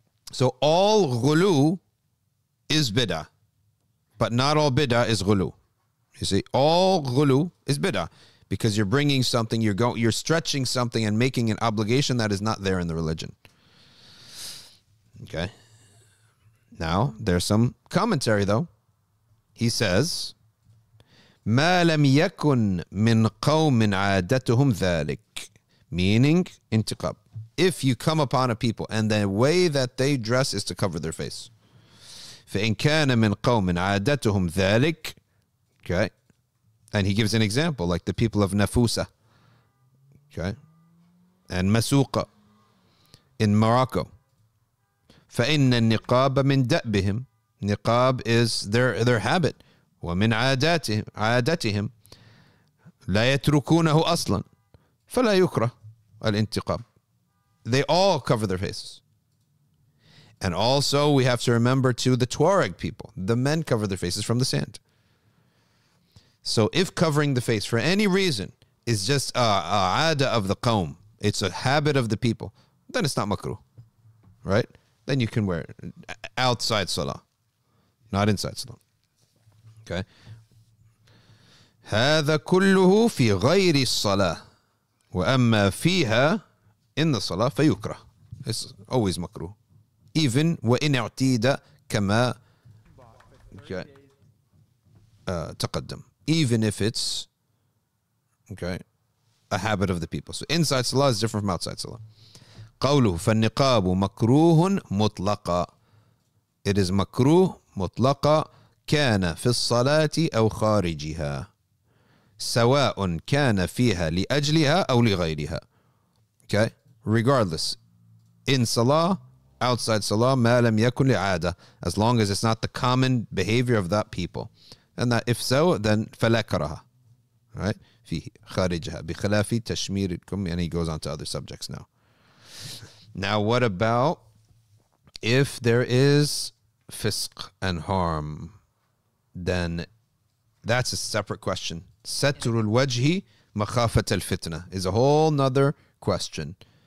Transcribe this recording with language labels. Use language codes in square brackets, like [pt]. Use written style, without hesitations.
[en] So all ghulu is bid'ah, but not all bid'ah is ghulu. You see, all ghulu is bid'ah because you're bringing something, you're stretching something and making an obligation that is not there in the religion. Okay? Now, there's some commentary though. [ar] He says, مَا لَمْ يَكُنْ مِنْ قَوْمٍ عَادَتُهُمْ ذَلِكَ. [en] Meaning, intiqab. If you come upon a people and the way that they dress is to cover their face. [ar] فَإِنْ كَانَ مِنْ قَوْمٍ عَادَتُهُمْ ذَلِكَ. Okay. [en] And he gives an example, like the people of Nafusa. Okay. And Masuqa in Morocco. [ar] فَإِنَّ النِّقَابَ مِنْ دَأْبِهِمْ. [en] Niqab is their habit. [ar] وَمِنْ عَادَتِهِمْ لَا يَتْرُكُونَهُ أَصْلًا. فَلَا يُكْرَهُ الْإِنْتِقَابُ. [en] They all cover their faces. And also, we have to remember, too, the Tuareg people. The men cover their faces from the sand. So if covering the face for any reason is just a ada of the qawm, it's a habit of the people, then it's not makruh. Right? Then you can wear it outside Salah, not inside Salah. Okay. [ar] هذا كله في غير الصلاة وأما فيها إن الصلاة فيكره. [en] It's always makruh. Even [ar] وإن اعتيد كما تقدم. [en] Even if it's okay, a habit of the people. So inside salah is different from outside salah. [ar] قوله فالنقاب مكروه مطلقا. [en] It is makruh [ar] مطلقا كان في الصلاة أو خارجها سواء كان فيها لأجلها أو لغيرها. [en] Okay, regardless, in salah, outside salah, [ar] ما لم يكن لعادة, [en] as long as it's not the common behavior of that people. And that if so, then [ar] فلا كره, [en] right? [ar] في خارجها بخلاف تشميركم. [en] And he goes on to other subjects now. Now, what about if there is fisq and harm? Then that's a separate question. [ar] Satr al-wajhi makhafat al-fitna [en] is a whole nother question.